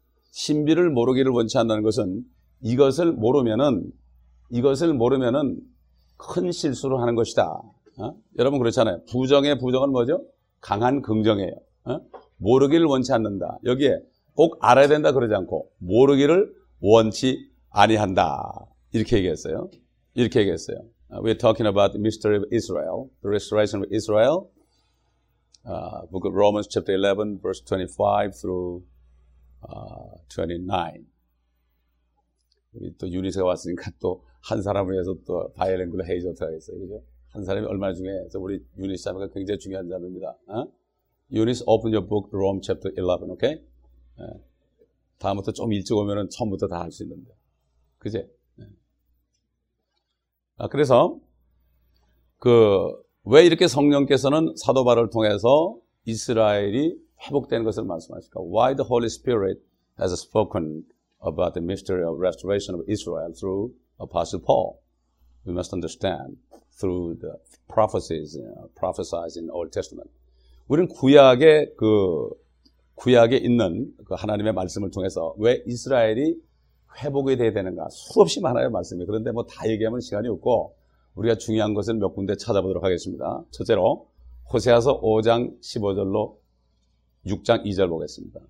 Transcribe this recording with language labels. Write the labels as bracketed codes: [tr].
[ko] 신비를 모르기를 원치 않는다는 것은 이것을 모르면은 큰 실수를 하는 것이다. 여러분 그렇잖아요. 부정의 부정은 뭐죠? 강한 긍정이에요. 모르기를 원치 않는다. 여기에 꼭 알아야 된다 그러지 않고 모르기를 원치 아니한다. 이렇게 얘기했어요. 이렇게 얘기했어요. [en] We're talking about the mystery of Israel, the restoration of Israel. Book of Romans chapter 11, verse 25 through 29. [ko] 우리 또 유니스가 왔으니까 또 한 사람을 위해서 또 바이올린과 헤이즈 어떻게 하겠어요. 그죠? 한 사람이 얼마나 중요해서 우리 유니스 자매가 굉장히 중요한 자매입니다. [en] 유니스, open your book, Rome chapter 11, okay? [ko] 다음부터 좀 일찍 오면은 처음부터 다 할 수 있는데. 그제? 그래서, 왜 이렇게 성령께서는 사도바를 통해서 이스라엘이 회복되는 것을 말씀하실까? [en] Why the Holy Spirit has spoken about the mystery of restoration of Israel through Apostle Paul? We must understand through the prophecies, prophesied in the Old Testament. [ko] 우리는 구약에 구약에 있는 그 하나님의 말씀을 통해서 왜 이스라엘이 회복이 돼야 되는가 수없이 많아요 말씀이. 그런데 뭐 다 얘기하면 시간이 없고 우리가 중요한 것을 몇 군데 찾아보도록 하겠습니다. 첫째로 호세아서 5장 15절로 6장 2절 보겠습니다.